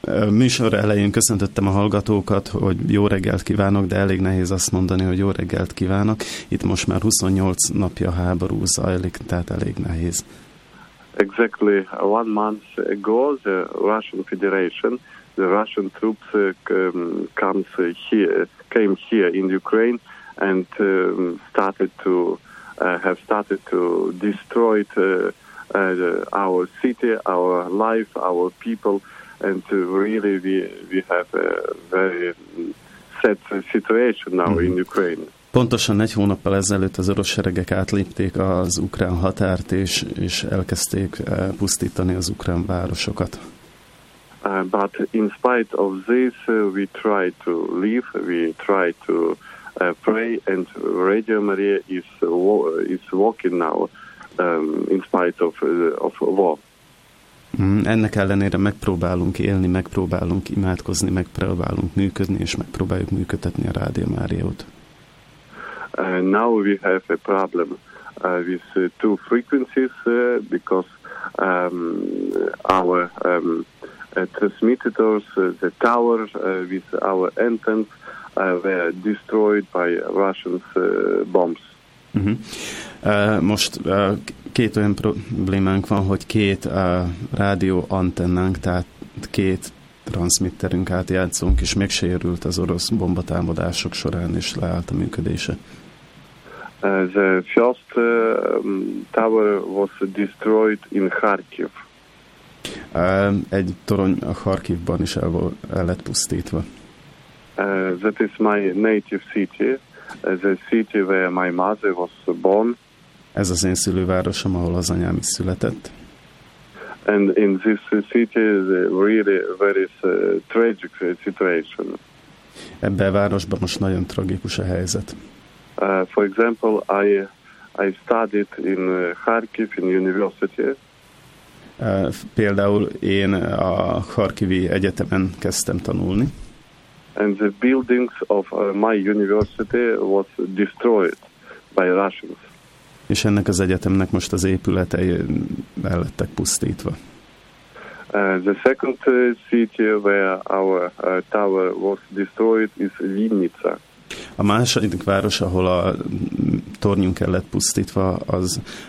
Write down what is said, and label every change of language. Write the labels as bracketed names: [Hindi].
[Hungarian] Műsor elején köszöntöttem a hallgatókat, hogy jó reggelt kívánok, de elég nehéz azt mondani, hogy jó reggelt kívánok. Itt most már 28 napja háború zajlik, tehát elég nehéz. [English] Exactly 1 month ago, the Russian Federation, the Russian troops came here in Ukraine and started to destroy our city, our life, our people, and really we have a very sad situation now in Ukraine. [Hungarian] Pontosan egy hónappal ezelőtt az orosz seregek átlépték az ukrán határt, és elkezdték pusztítani az ukrán városokat. [English] But in spite of this, we try to live, we try to pray, and Radio Maria is walking now in spite of war. [Hungarian] Ennek ellenére megpróbálunk élni, megpróbálunk imádkozni, megpróbálunk működni, és megpróbáljuk működtetni a Rádió Máriót. [English] Now we have a problem with two frequencies because our transmitters, the tower with our antennas were destroyed by Russians bombs. Uh-huh. [Hungarian] Most két olyan problémánk van, hogy két rádió antennánk, tehát két transmitterünk átjátszunk, és megsérült az orosz bombatámadások során, és leállt a működése. [English] The first tower was destroyed in Kharkiv. [Hungarian] Egy torony a Kharkivban is el lett pusztítva. [English] That is my native city, the city where my mother was born. [Hungarian] Ez az én szülővárosom, ahol az anyám is született. [English] And in this city is really very tragic situation. [Hungarian] Ebben a városban most nagyon tragikus a helyzet. [English] For example, I studied in Kharkiv in university. [Hungarian] Például én a Kharkivi egyetemen kezdtem tanulni. [English] And the buildings of my university was destroyed by Russians. [Hungarian] És ennek az egyetemnek most az épületei el lettek pusztítva. [English] The second city where our tower was destroyed is Vinnytsia. [Hungarian] A második város, ahol a tornyunk el lett pusztítva, az